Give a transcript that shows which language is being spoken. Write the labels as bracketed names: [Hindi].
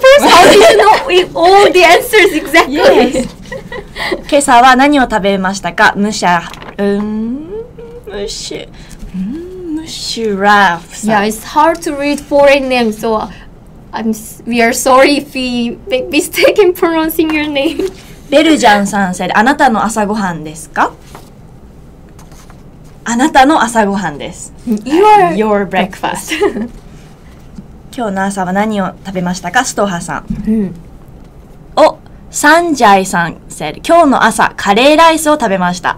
[English] How do you know all the answers exactly? Yes. [Japanese] 今朝は何を食べましたか？ムシャ、ムシュラフさん。 [English] Yeah, it's hard to read foreign names, so we are sorry if we make mistake in pronouncing your name. ベルジャンさん said, [Japanese] あなたの朝ごはんですか？あなたの朝ごはんです。 [English] Your breakfast. [Japanese] 今日の朝は何を食べましたか？ストハさん。お、サンジャイさん [English] said, [Japanese] 今日の朝カレーライスを食べました。